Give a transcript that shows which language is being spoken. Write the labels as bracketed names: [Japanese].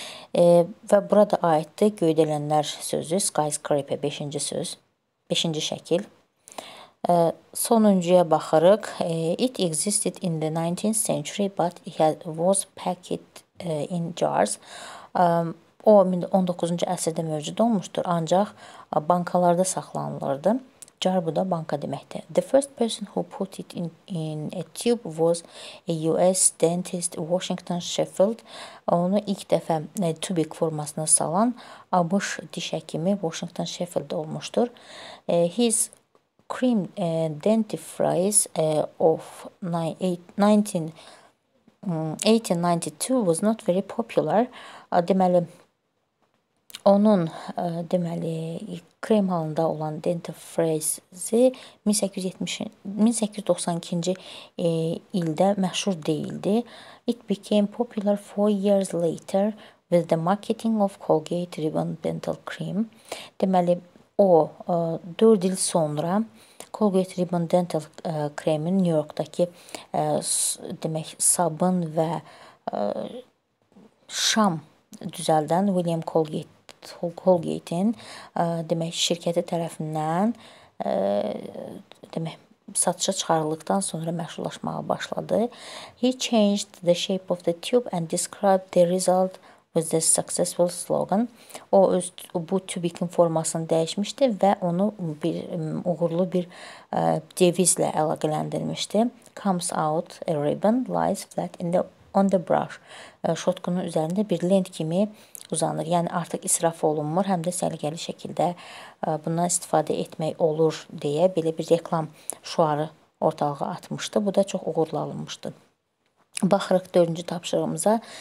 [Azerbaijani] Və burada aiddir göydələnlər sözü, skyscraper 5-ci söz, 5-ci şəkil. Sonuncuya baxırıq. [English] It existed in the 19th century, but it was packed in jars. [Azerbaijani] O 19-cu əsrdə mövcud olmuşdur, ancaq bankalarda saxlanılırdı. Jar bu da banka deməkdir. [English] The first person who put it in a tube was a US dentist Washington Sheffield. [Azerbaijani] Onu ilk dəfə tubik formasına salan ABŞ diş həkimi Washington Sheffield olmuşdur. [English] His cream dentifrice of 1892 was not very popular. [Azerbaijani] Deməli onun deməli krem halında olan dentifrice 1892-ci ildə məşhur deyildi. [English] It became popular 4 years later with the marketing of Colgate Revan dental cream. [Azerbaijani] Deməli o 4 il sonra Colgate Revan Dental kremin New York'daki demək sabın və şam düzəldən William Colgate'in demək şirkəti tərəfindən demək satışa çıxarıldıqdan sonra məşhurlaşmağa başladı. [English] He changed the shape of the tube and described the result with the successful slogan. [Azerbaijani] O öz bu tubikin formasını dəyişmişdi və onu bir uğurlu bir devizlə əlaqələndirmişdi. [English] Comes out a ribbon lies flat in the on the brush. [Azerbaijani] Şotkunun üzərində bir lent kimi uzanır. Yəni artıq israf olunmur, həm də səliqəli şəkildə bundan istifadə etmək olur deyə belə bir reklam şüarı ortalığa atmışdı. Bu da çox uğurlu alınmışdı. Baxırıq 4-cü tapşırığımıza.